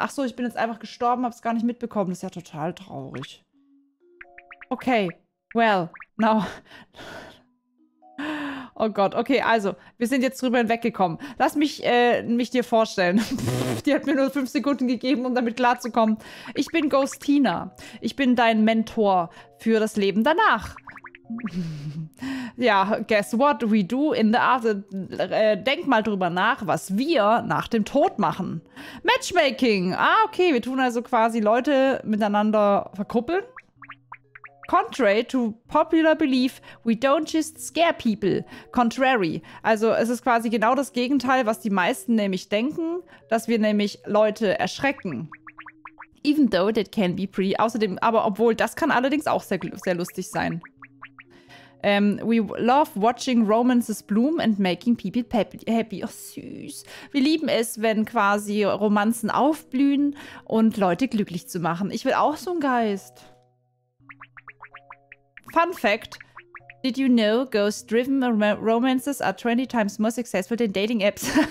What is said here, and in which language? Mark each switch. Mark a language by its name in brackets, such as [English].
[German] Ach so, ich bin jetzt einfach gestorben, habe es gar nicht mitbekommen. Das ist ja total traurig. Okay. [English] Well, now. [German] Oh Gott, okay, also, wir sind jetzt drüber hinweggekommen. Lass mich mich dir vorstellen. Die hat mir nur 5 Sekunden gegeben, um damit klarzukommen. Ich bin Ghostina. Ich bin dein Mentor für das Leben danach. [English] Ja, guess what we do in the after. [German] Denk mal drüber nach, was wir nach dem Tod machen. Matchmaking. Ah, okay, wir tun also quasi Leute miteinander verkuppeln. [English] Contrary to popular belief, we don't just scare people. Contrary. [German] Also es ist quasi genau das Gegenteil, was die meisten nämlich denken, dass wir nämlich Leute erschrecken. [English] Even though that can be pretty. [German] Außerdem, aber obwohl, das kann allerdings auch sehr, sehr lustig sein. [English] We love watching romances bloom and making people happy. [German] Oh, süß. Wir lieben es, wenn quasi Romanzen aufblühen und Leute glücklich zu machen. Ich will auch so einen Geist. [English] Fun fact, did you know ghost-driven romances are 20 times more successful than dating apps?